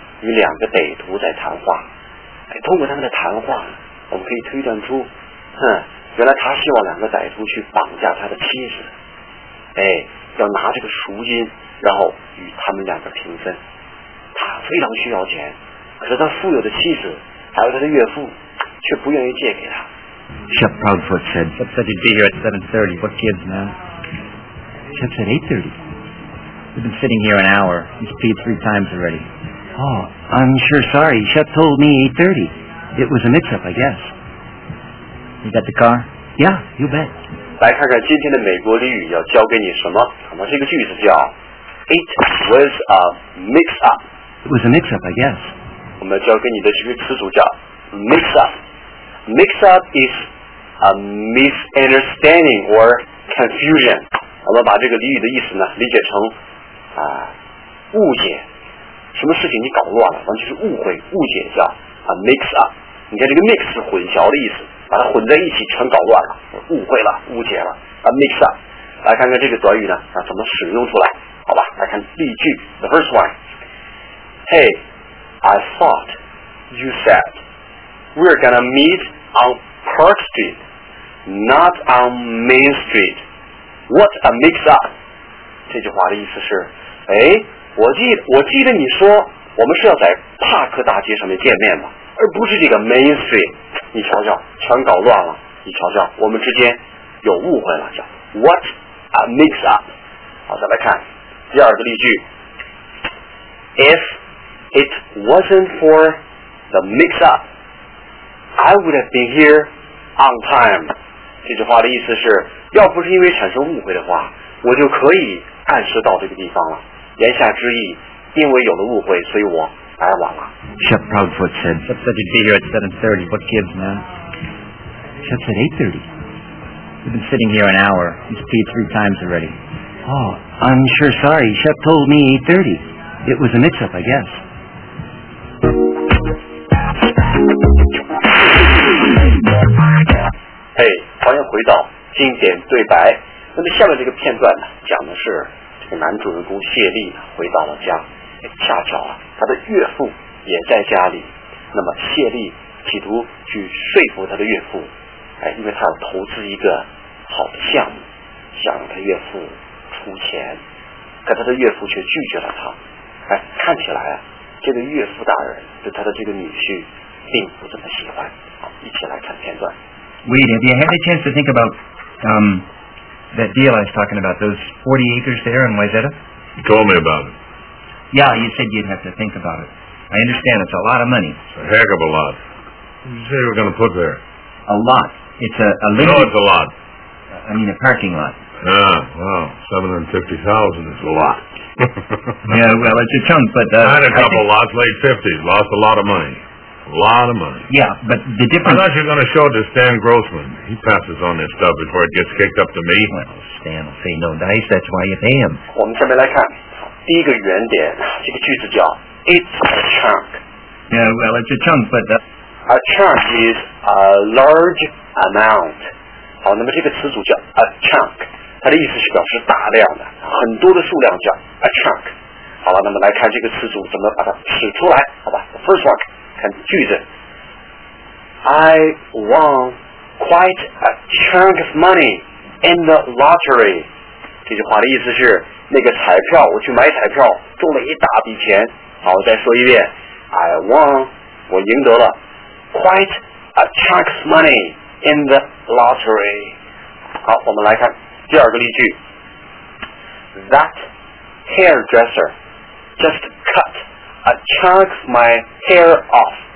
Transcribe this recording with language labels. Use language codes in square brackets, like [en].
[zh] 与两个歹徒在谈话，哎，通过他们的谈话，我们可以推断出，哼，原来他希望两个歹徒去绑架他的妻子，哎，要拿这个赎金，然后与他们两个平分。他非常需要钱，可是他富有的妻子还有他的岳父却不愿意借给他。 [en] Chef Proudfoot said, "What's such a day here at 7:30? What gives, man?" Chef said, "8:30. We've been sitting here an hour. He's peed 3 times already." Oh, I'm sure sorry. Chef told me 8:30. It was a mix-up, I guess. You got the car? Yeah, you bet. [zh] 来看看今天的美国俚语要教给你什么。那这个句子叫 [en] It was a mix-up. It was a mix-up, I guess. [zh] 我们教给你的这个词组叫 mix-up. [en] Mix-up is a misunderstanding or confusion. [zh] 我们把这个俚语的意思呢理解成啊误解。什么事情你搞乱了，完全是误会误解，是吧？啊 ，mix up， 你看这个 mix 是混淆的意思，把它混在一起，全搞乱了，误会了，误解了。啊 ，mix up， 来看看这个短语呢，啊，怎么使用出来？好吧，来看例句 [en] ，the first one。 Hey， I thought you said we're gonna meet on Park Street， not on Main Street。 What a mix up！ [zh] 这句话的意思是，哎。我记得你说我们是要在帕克大街上面见面嘛，而不是这个 Main Street。你瞧瞧，全搞乱了。你瞧瞧，我们之间有误会了，叫 [en] What a mix up。 [zh] 好，再来看第二个例句。 [en] If it wasn't for the mix up, I would have been here on time。 [zh] 这句话的意思是，要不是因为产生误会的话，我就可以按时到这个地方了。言下之意，因为有了误会，所以我来晚了。 [en] Chef Proudfoot said, "What's such a day here at 7:30? What gives, man?" Chef said, "8:30. We've been sitting here an hour. He's peed 3 times already." Oh, I'm sure sorry. Chef told me 8:30. It was a mix-up, I guess. [zh] Hey, 欢迎回到经典对白。那么下面这个片段呢，讲的是。男主人公谢利回到了家，恰巧啊，他的岳父也在家里。那么谢利企图去说服他的岳父，哎，因为他要投资一个好的项目，想让他岳父出钱，可他的岳父却拒绝了他。哎，看起来啊，这个岳父大人对他的这个女婿并不怎么喜欢。好，一起来看片段。 [en] Wait, have you had a chance to think about that deal I was talking about, those 40 acres there in Wayzata? You told me about it. Yeah, you said you'd have to think about it. I understand, it's a lot of money. It's a heck of a lot. What did you say you were going to put there? A lot. It's a limited... No, it's a lot. I mean, a parking lot. Ah, well, 750,000 is a lot. Yeah, well, it's a chunk, but... I had a couple lots, late 50s, lost a lot of money. A lot of money. Yeah, but the difference... I thought you were going to show it to Stan Grossman. He passes on this stuff before it gets kicked up to me. Well, Stan will say no dice, that's why you pay him. [zh] 我们下面来看第一个原点,这个句子叫 [en] It's a chunk. Yeah, well, it's a chunk, but... A chunk is a large amount. [zh] 好,那么这个词组叫 a chunk. 它的意思是表示大量的,很多的数量叫 a chunk. 好了,那么来看这个词组怎么把它使出来,好吧? [en] The first one, [zh] 看句子, [en] I won quite a chunk of money in the lottery. [zh] 这句话的意思是, 那个彩票,我去买彩票,中了一大笔钱。好,我再说一遍, [en] I won, [zh] 我赢得了, [en] quite a chunk of money in the lottery. [zh] 好,我们来看。第二个例句, [en] that hairdresser just cut a chunk of my hair off.